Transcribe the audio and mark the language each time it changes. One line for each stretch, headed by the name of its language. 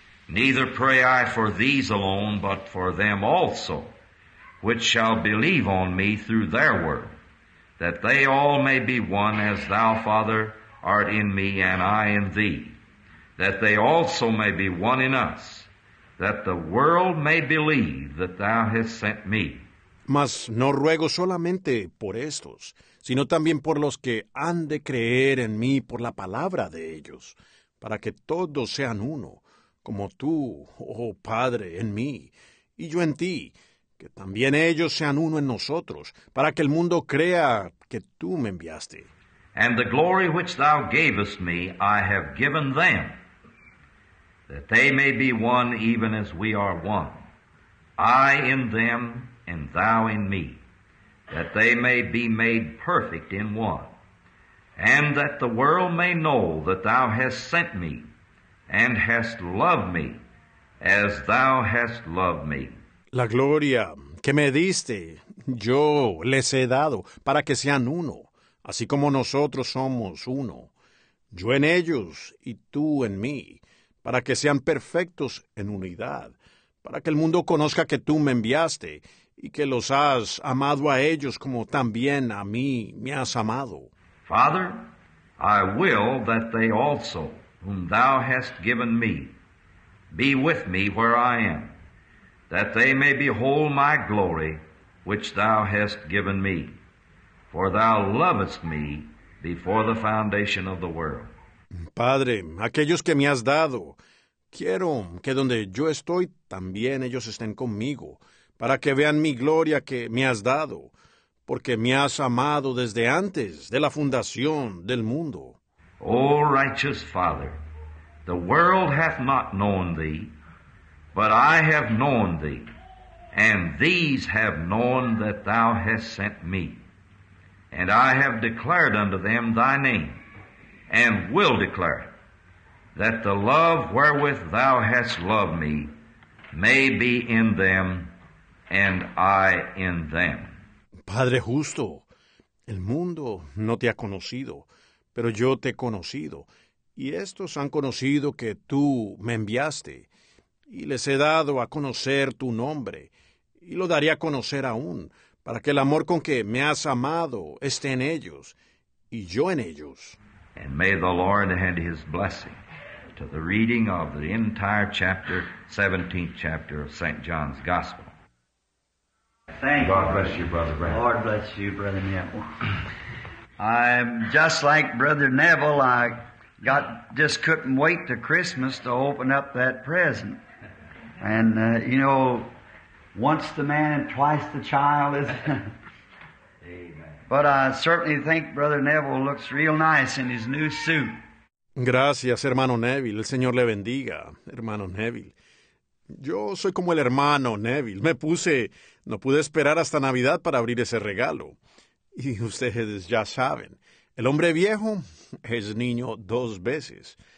English: Neither pray I for these alone, but for them also, which shall believe on me through their word, that they all may be one as thou, Father, art in me and I in thee, that they also may be one in us, that the world may believe that thou hast sent me.
Spanish: Mas no ruego solamente por estos, sino también por los que han de creer en mí por la palabra de ellos, para que todos sean uno, como tú, oh Padre, en mí, y yo en ti, que también ellos sean uno en nosotros, para que el mundo crea que tú me enviaste.
English: And the glory which thou gavest me, I have given them, that they may be one even as we are one, I in them and thou in me, that they may be made perfect in one, and that the world may know that thou hast sent me and hast loved me as thou hast loved me.
Spanish: La gloria que me diste, yo les he dado para que sean uno, así como nosotros somos uno, yo en ellos y tú en mí, para que sean perfectos en unidad, para que el mundo conozca que tú me enviaste y que los has amado a ellos como también a mí me has amado.
English: Father, I will that they also, whom thou hast given me, be with me where I am, that they may behold my glory which thou hast given me. For thou lovest me before the foundation of the world.
Spanish: Padre, aquellos que me has dado, quiero que donde yo estoy, también ellos estén conmigo, para que vean mi gloria que me has dado, porque me has amado desde antes de la fundación del mundo.
English: Oh, righteous Father, the world hath not known thee, but I have known thee, and these have known that thou hast sent me. And I have declared unto them thy name, and will declare it, that the love wherewith thou hast loved me may be in them, and I in them.
Spanish: Padre justo, el mundo no te ha conocido, pero yo te he conocido, y estos han conocido que tú me enviaste, y les he dado a conocer tu nombre, y lo daré a conocer aún, para que el amor con que me has amado esté en ellos, y yo en ellos.
English: And may the Lord add his blessing to the reading of the entire chapter, 17th chapter of St. John's Gospel. Thank God bless you, Brother Brad. Lord bless you, Brother Neville. I'm just like Brother Neville. I just couldn't wait to Christmas to open up that present. And, you know, once the man and twice the child is. But I certainly think Brother Neville looks real nice in his new suit.
Spanish: Gracias, hermano Neville. El Señor le bendiga, hermano Neville. Yo soy como el hermano Neville. No pude esperar hasta Navidad para abrir ese regalo. Y ustedes ya saben, el hombre viejo es niño dos veces.